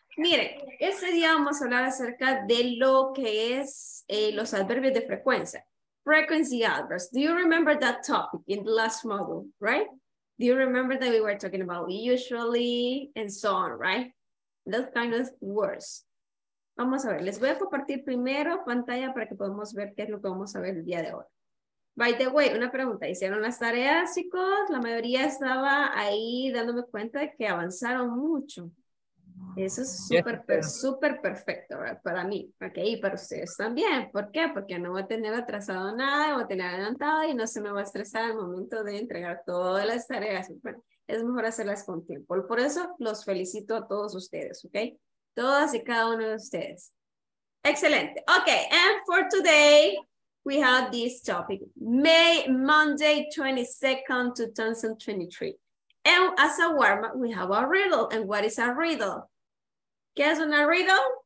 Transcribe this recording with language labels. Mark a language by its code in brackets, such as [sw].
[es] Miren, ese día vamos a hablar acerca de lo que es los adverbios de frecuencia. [en] Frequency adverbs. Do you remember that topic in the last module, right? Do you remember that we were talking about usually and so on, right? Those kind of words. [es] Vamos a ver. Les voy a compartir primero pantalla para que podamos ver qué es lo que vamos a ver el día de hoy. [en] By the way, [es] una pregunta. ¿Hicieron las tareas, chicos? La mayoría estaba ahí dándome cuenta de que avanzaron mucho. Eso es súper, súper perfecto, ¿verdad? Para mí, ok, y para ustedes también. ¿Por qué? Porque no voy a tener atrasado nada, voy a tener adelantado y no se me va a estresar al momento de entregar todas las tareas. Bueno, es mejor hacerlas con tiempo. Por eso los felicito a todos ustedes, ok, todas y cada uno de ustedes. Excelente. [en] Ok, and for today, we have this topic, May, Monday 22nd, 2023. And as a warm up, we have a riddle. And what is a riddle? [es] ¿Qué es una riddle?